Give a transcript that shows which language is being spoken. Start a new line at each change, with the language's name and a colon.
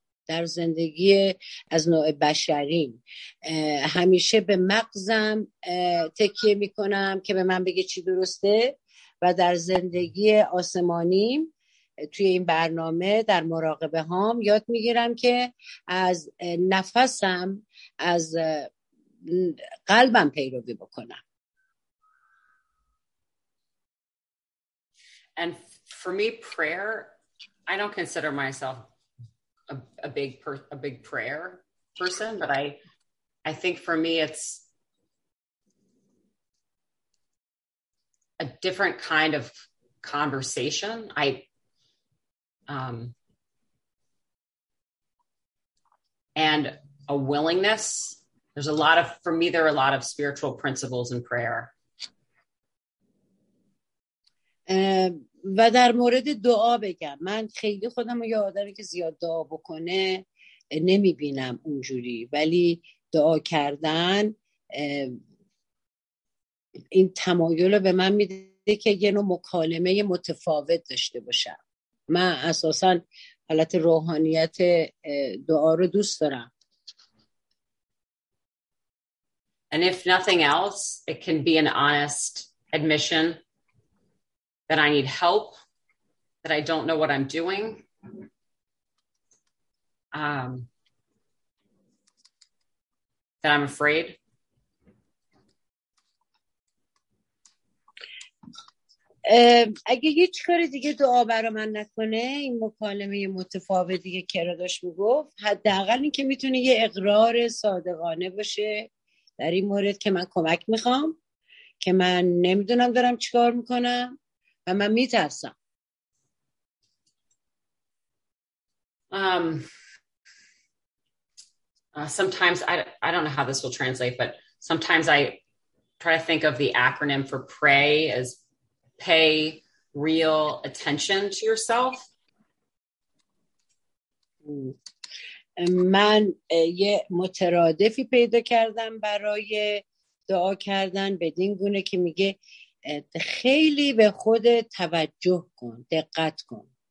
Persian: در زندگی از نوع بشریم همیشه به مغزم تکیه میکنم که به من بگه چی درسته و در زندگی آسمانیم توی این برنامه در مراقبه هام یاد میگیرم که از نفسم، از قلبم پیروی بکنم.
English: And for me, prayer, I don't consider myself a big prayer person, but I think for me it's a different kind of conversation. And a willingness. There's a lot of, for me, there are a lot of spiritual principles in prayer.
Persian: و در مورد دعا بگم، من خیلی خودم رو یه آدمی که زیاد دعا بکنه نمیبینم اونجوری، ولی دعا کردن این تمایل رو به من میده که یه نوع مکالمه متفاوت داشته باشم. من اساسا حالت روحانیت دعا رو دوست دارم.
English: And if nothing else, it can be an honest admission that I need help, that I don't know what I'm doing. That I'm afraid.
Persian: اگه یه چیکار دیگه دعا برام نکنه، این مکالمه متفاوتی که کرا داشت میگفت، حداقل این که میتونه یه اقرار صادقانه باشه در این مورد که من کمک میخوام، که من نمیدونم دارم چیکار میکنم و من میترسم.
English: Sometimes I don't know how this will translate, but sometimes I try to think of the acronym for pray as pay real attention to yourself.
Persian: من یه مترادفی پیدا کردم برای دعا کردن بدین گونه که میگه خیلی به خود توجه کن، دقت کن.